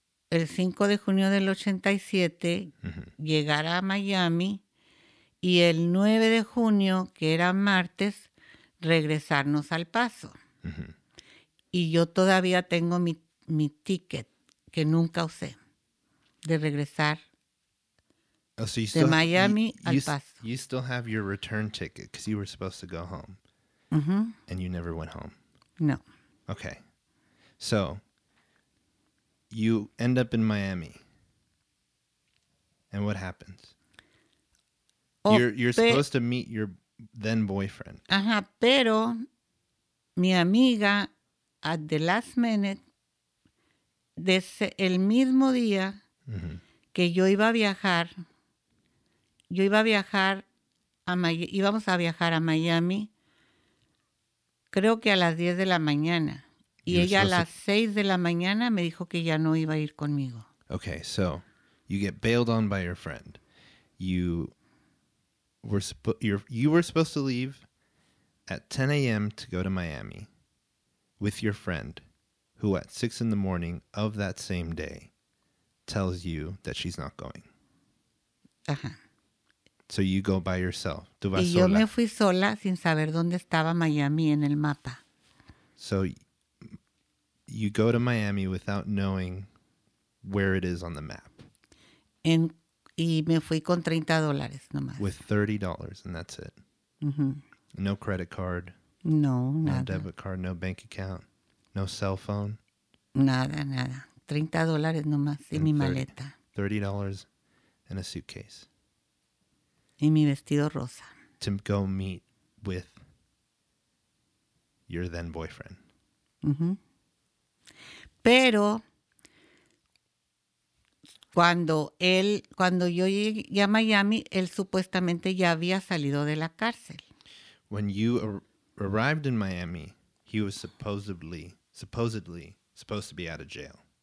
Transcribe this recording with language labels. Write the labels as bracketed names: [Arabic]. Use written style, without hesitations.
[Spanish] El 5 de junio del 87, llegar a Miami. Y el 9 de junio, que era martes, regresarnos al Paso. Y yo todavía tengo mi ticket, que nunca usé, de regresar. [English] Oh, so you still, [Spanish] de Miami al Paso. [English] You still have your return ticket because you were supposed to go home. Mm-hmm. And you never went home. [Spanish] No. [English] Okay. So, you end up in Miami. And what happens? Oh, you're supposed to meet your then boyfriend. [Spanish] Ajá, pero mi amiga, [English] at the last minute, [Spanish] desde el mismo día que yo iba a viajar, íbamos a viajar a Miami, creo que a las 10 de la mañana. Y ella a las 6 de la mañana me dijo que ya no iba a ir conmigo. [English] Okay, so you get bailed on by your friend. You you were supposed to leave at 10 a.m. to go to Miami with your friend, who at 6 in the morning of that same day tells you that she's not going. Uh-huh. So you go by yourself. [Spanish] Tú vas y yo sola. Me fui sola sin saber dónde estaba Miami en el mapa. [English] So you go to Miami without knowing where it is on the map. [Spanish] En, y me fui con $30 nomás. [English] With $30 and that's it. Mm-hmm. No credit card. [Spanish] No, nada. [English] No debit card, no bank account, no cell phone. [Spanish] Nada, nada. $30 nomás y mi maleta. [English] $30 and a suitcase. [Spanish] Y mi vestido rosa. [English] To go meet with your then boyfriend. Mm-hmm. [Spanish] Pero cuando yo llegué a Miami, él supuestamente ya había salido de la cárcel. [English] When you arrived in Miami, he was supposedly supposed to be out of jail.